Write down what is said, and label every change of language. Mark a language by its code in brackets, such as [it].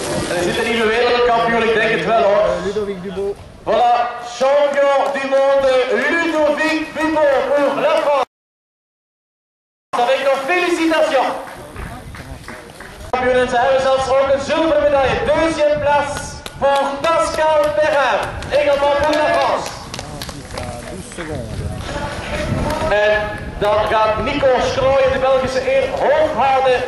[nl] En hij zit een nieuwe wereldkampioen, ik denk het wel hoor. Ludovic Buvot. [fr] Voilà, champion du monde, Ludovic Buvot, pour la France. Avec nos félicitations. [nl] Kampioenen, ze hebben zelfs ook een zilveren medaille. [fr] Deuxième place [nl] voor Pascal Perrin, Engelman [fr] pour la France. [nl] En dan gaat Nico Schrooien de Belgische eer hoog houden.